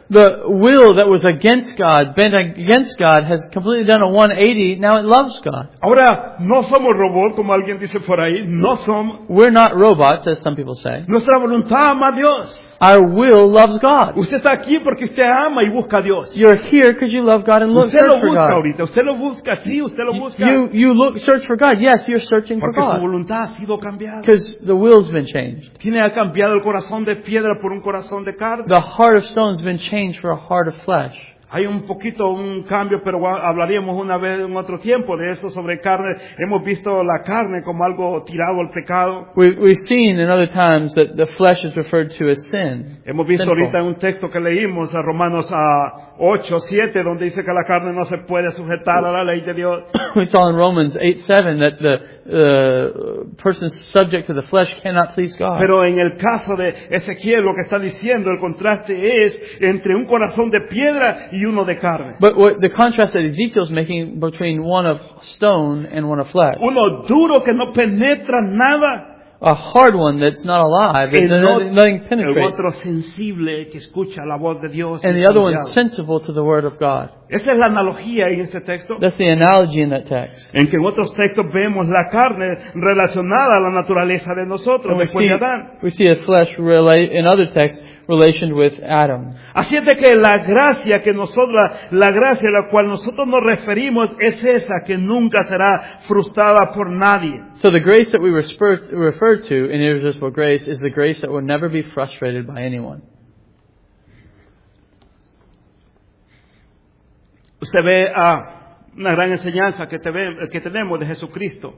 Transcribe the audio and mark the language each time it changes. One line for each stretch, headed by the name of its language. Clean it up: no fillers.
English: The will that was against God, bent against God, has completely done a 180. Now it loves God.
Spanish: Ahora no somos robots como alguien dice por ahí. No somos.
English: We're not robots, as some people say.
Spanish: Nuestra voluntad ama a Dios.
English: Our will loves God.
Spanish: Usted está aquí porque usted ama y busca a Dios.
English: You're here because you love God and look
Spanish: usted lo busca
English: for God.
Spanish: Ahorita. Usted lo busca, sí, usted lo busca.
English: You look, search for God. Yes, you're searching
Spanish: porque
English: for God.
Spanish: Porque su voluntad ha sido cambiada.
English: Because the will's been changed.
Spanish: ¿Quién ha cambiado el corazón de piedra por un corazón de carne?
English: The heart of stone's been changed for a heart of flesh.
Spanish: Hay un poquito un cambio, pero hablaríamos una vez en otro tiempo de esto sobre carne. Hemos visto la carne como algo tirado al pecado.
English: We've seen in other times that the flesh is referred to as sin.
Spanish: Hemos visto
English: sinful.
Spanish: Ahorita un texto que leímos a Romanos 8:7, donde dice que la carne no se puede sujetar a la ley de Dios.
English: We saw in Romans 8:7 that the person subject to the flesh cannot please God.
Spanish: Pero en el caso de Ezequiel, lo que está diciendo, el contraste es entre un corazón de piedra y uno de carne.
English: But what the contrast that Ezekiel is making between one of stone and one of flesh.
Spanish: Uno duro que no penetra nada.
English: A hard one that's not alive. Nothing penetrates.
Spanish: El otro sensible que escucha la voz de Dios.
English: And the other one sensible to the word of God.
Spanish: Esa es la analogía en este texto.
English: That's the analogy in that text.
Spanish: En que en otros textos vemos la carne relacionada a la naturaleza de nosotros, después de Adán.
English: We see a flesh in other texts relation with Adam.
Spanish: Así es de que la gracia que nosotros, la gracia a la cual nosotros nos referimos es esa que nunca será frustrada por nadie.
English: So the grace that we refer to in irresistible grace is the grace that will never be frustrated by anyone.
Spanish: Usted ve una gran enseñanza que tenemos de Jesucristo.